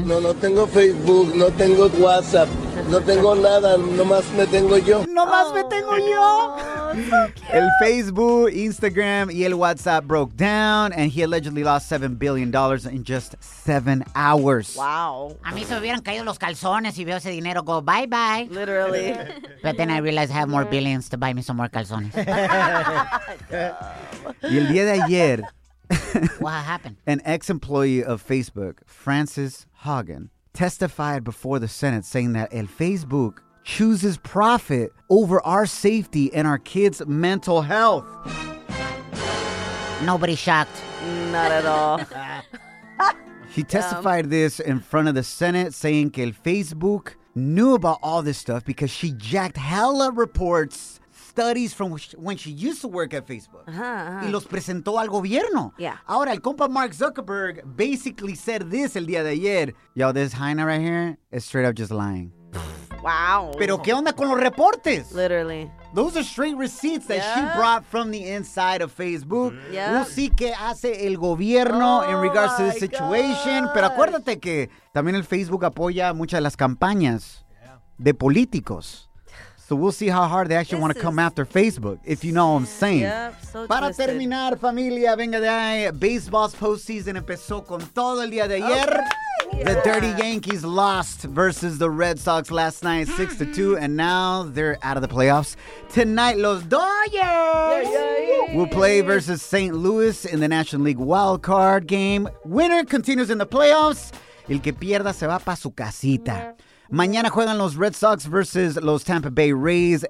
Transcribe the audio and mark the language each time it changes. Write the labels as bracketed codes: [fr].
[es] No, no tengo Facebook, no tengo WhatsApp, no tengo nada, nomás me tengo yo. ¡Nomás me tengo yo! El Facebook, Instagram y el WhatsApp [en] broke down and he allegedly lost $7 billion in just 7 hours. Wow. [es] A mí se me hubieran caído los calzones y veo ese dinero [en] go bye bye. Literally. But then I realized I have more billions to buy me some more calzones. [es] Y el día de ayer... [en] What happened? An ex-employee of Facebook, Frances Haugen, testified before the Senate saying that el Facebook chooses profit over our safety and our kids' mental health. Nobody shocked. Not at all. He testified this in front of the Senate saying que el Facebook knew about all this stuff because she jacked hella reports, studies from when she used to work at Facebook. Uh-huh. [es] Y los presentó al gobierno. [en] Yeah. [es] Ahora, el compa Mark Zuckerberg [en] basically said this [es] el día de ayer. [en] Yo, this hyena right here is straight up just lying. Wow. [es] Pero qué onda con los reportes? [en] Literally. Those are straight receipts that she brought from the inside of Facebook. Yeah. We'll see [es] qué hace el gobierno [en] in regards to the situation. Gosh. [es] Pero acuérdate que también el Facebook apoya muchas de las campañas de políticos. [en] So we'll see how hard they actually want to come after Facebook, if you know what I'm saying. Yep, so [es] para [en] twisted. [es] Terminar, familia, venga de ahí. Baseball's postseason empezó con todo el día de ayer. [en] Okay. Yeah. The Dirty Yankees lost versus the Red Sox last night, 6-2, and now they're out of the playoffs. Tonight, Los Dodgers will play versus St. Louis in the National League wild card game. Winner continues in the playoffs. [es] El que pierda se va para su casita. Yeah. Mañana juegan los Red Sox versus los Tampa Bay Rays.